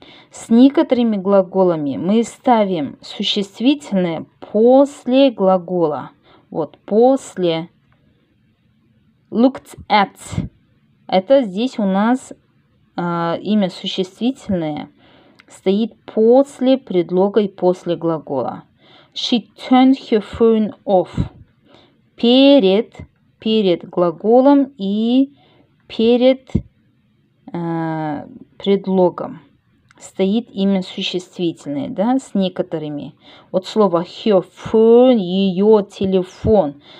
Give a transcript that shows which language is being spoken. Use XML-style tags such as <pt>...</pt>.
<ru>С некоторыми глаголами мы ставим существительное после глагола. Вот после.</ru> <en>Looked at.</en> <ru>Это здесь у нас имя существительное стоит после предлога и после глагола.</ru> <en>She turned her phone off.</en> <ru>Перед глаголом и перед предлогом стоит имя существительное, да, с некоторыми. Вот слово</ru> <en>her phone,</en> <ru>ее телефон.</ru>